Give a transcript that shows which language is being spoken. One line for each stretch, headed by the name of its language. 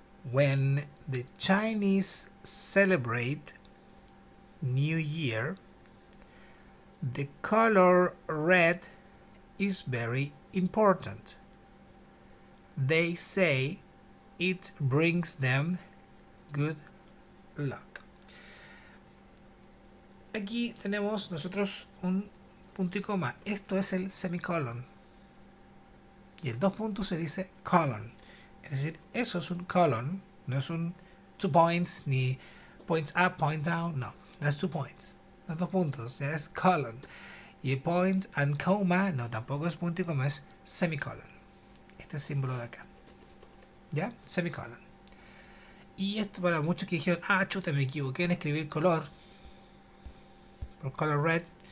English: When the Chinese celebrate New Year, the color red is very important. They say it brings them good luck.
Spanish: Aquí tenemos nosotros un punto y coma. Esto es el semicolon. Y el dos puntos se dice colon. Es decir, eso es un colon. No es un two points, ni
English: points up, point down. No, that's two points.
Spanish: No dos puntos, ya es colon. Y point and coma, no, tampoco es punto y coma, es semicolon. Este símbolo de acá. ¿Ya? Semicolon. Y esto para muchos que dijeron, ah, chuta, me equivoqué en escribir color. Por color red.